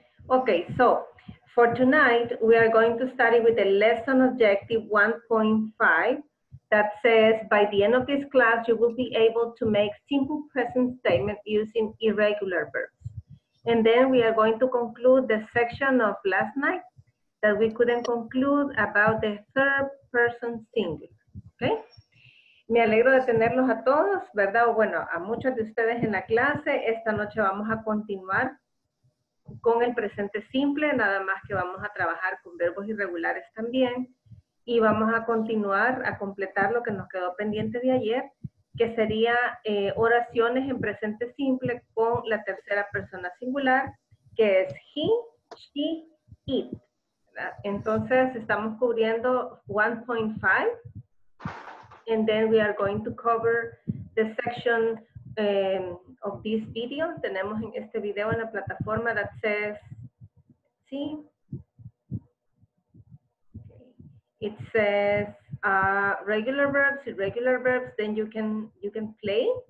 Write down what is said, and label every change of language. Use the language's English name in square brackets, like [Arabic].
[English] Okay, so for tonight, we are going to study with the lesson objective 1.5 that says, by the end of this class, you will be able to make simple present statement using irregular verbs. And then we are going to conclude the section of last night that we couldn't conclude about the third person singular, okay? [Spanish] Me alegro de tenerlos a todos, ¿verdad? O bueno, a muchos de ustedes en la clase. Esta noche vamos a continuar con el presente simple, nada más que vamos a trabajar con verbos irregulares también. Y vamos a continuar a completar lo que nos quedó pendiente de ayer, que sería oraciones en presente simple con la tercera persona singular, que es he, she, it. Entonces, estamos cubriendo 1.5, [English] and then we are going to cover the section of this video. [Spanish] Tenemos en este video en la plataforma [English] that says, sí, it says regular verbs, then you can play.